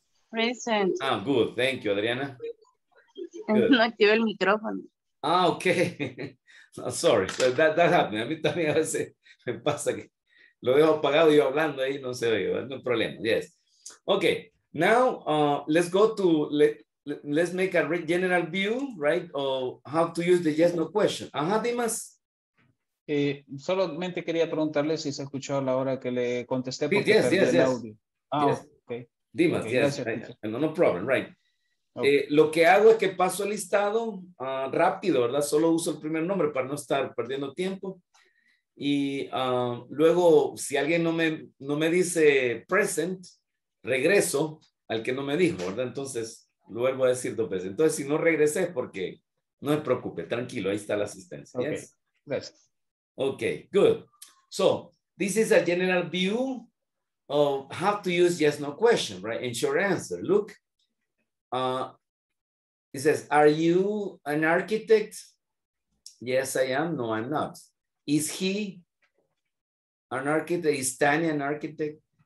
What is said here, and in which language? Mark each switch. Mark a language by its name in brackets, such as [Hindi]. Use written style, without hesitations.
[English] Present. Ah, good, thank you, Adriana. [Spanish] No activo el micrófono. [English] Ah, okay. No, sorry, so that happened. [Spanish] A mí también a veces me pasa que lo dejo apagado y yo hablando ahí, no se oye, no problema, yes. [English] Okay, now let's go to, let's make a general view, right, of how to use the yes, no question. Ajá, Dimas. [Spanish] Solamente quería preguntarle si se escuchó a la hora que le contesté. Porque yes, perdí yes, el yes. Audio. [English] Ah, yes. Okay. Dimas, okay, yes, gracias, no problem, right. Okay. [Spanish] Lo que hago es que paso el listado rápido, ¿verdad? Solo uso el primer nombre para no estar perdiendo tiempo. Y luego, si alguien no me dice present, regreso al que no me dijo, ¿verdad? Entonces, vuelvo a decir dos veces. Entonces, si no regresé, porque no me preocupe, tranquilo, ahí está la asistencia. [English] Okay. Yes? [Spanish] Gracias. [English] Ok, good. So, this is a general view of how to use yes, no question, right? And short answer. Look, it says, are you an architect? Yes, I am. No, I'm not. Is he an architect? Is Tanya an architect?